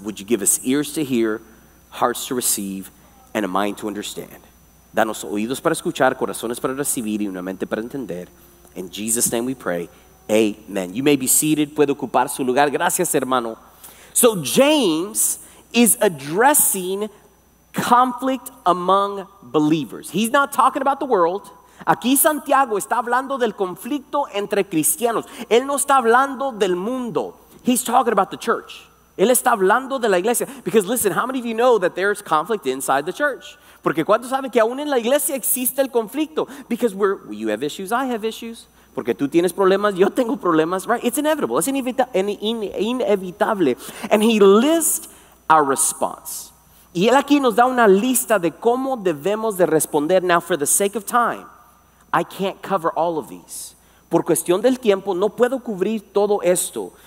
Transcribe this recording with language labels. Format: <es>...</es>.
<en>Would you give us ears to hear, hearts to receive, and a mind to understand?</en> <es>Danos oídos para escuchar, corazones para recibir y una mente para entender.</es> <en>In Jesus' name we pray. Amen. You may be seated.</en> <es>Puede ocupar su lugar. Gracias, hermano.</es> <en>So James is addressing conflict among believers. He's not talking about the world.</en> <es>Aquí Santiago está hablando del conflicto entre cristianos. Él no está hablando del mundo.</es> <en>He's talking about the church.</en> <es>Él está hablando de la iglesia.</es> <en>Because listen, how many of you know that there's conflict inside the church?</en> <es>Porque ¿cuántos saben que aún en la iglesia existe el conflicto?</es> <en>Because you have issues, I have issues.</en> <es>Porque tú tienes problemas, yo tengo problemas,</es> <en>right? It's inevitable. It's inevitable. And he lists our response.</en> <es>Y él aquí nos da una lista de cómo debemos de responder.</es> <en>Now, for the sake of time, I can't cover all of these.</en> <es>Por cuestión del tiempo, no puedo cubrir todo esto.</es>